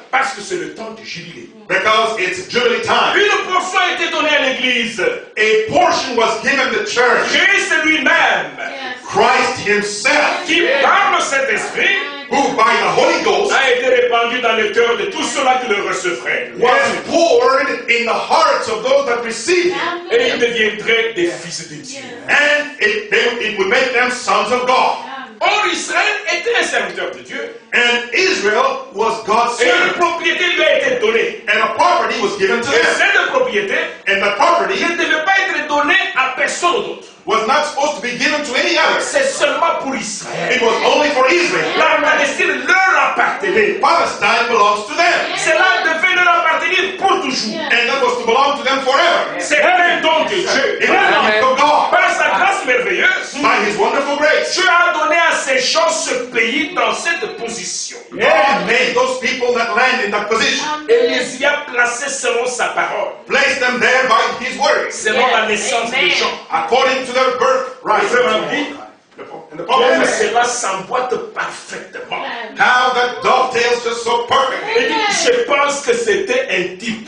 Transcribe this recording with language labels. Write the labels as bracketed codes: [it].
[fr] Parce que c'est le temps du jubilé. [en] Because it's jubilee time. [fr] Une portion a été donnée à l'église. [en] A portion was given the church. [fr] Jésus lui-même. Yes. [en] Christ himself. [fr] Qui yes. parle cet esprit. [en] Who by the Holy Ghost [fr] a été répandu dans le cœur de tous ceux-là qui le recevraient. [en] Was poured in the hearts of those that received it. [fr] Et ils deviendraient des fils de Dieu. Yes. [en] And it would make them sons of God. [fr] Or Israël était un serviteur de Dieu. [en] And Israel was God's servant. [fr] Et une propriété lui a été donnée. [en] And a property was given to him. [fr] Et cette propriété [en] and the property [fr] ne devait pas être donnée à personne d'autre. [en] Was not supposed to be given to any other. [fr] C'est seulement pour Israël. [en] It was only for Israel. [fr] La Palestine leur appartenait. [en] Palestine belongs to them. [fr] Cela devait leur appartenir pour toujours. [en] And that was to belong to them forever. [fr] C'est un don de Dieu. [en] It was a gift of God. [fr] Par sa grâce merveilleuse. [en] By his wonderful grace. [fr] Dieu a donné à ces gens ce pays dans cette position. [en] God made those people that land in that position. [fr] Et les y a placés selon sa parole. [en] Placed them there by his word. [fr] Selon la naissance des gens. [en] According to their birth right. And the prophet says, [fr] cela s'emboîte parfaitement. [en] How that dovetails just so perfectly. [fr] Je pense que c'était un type.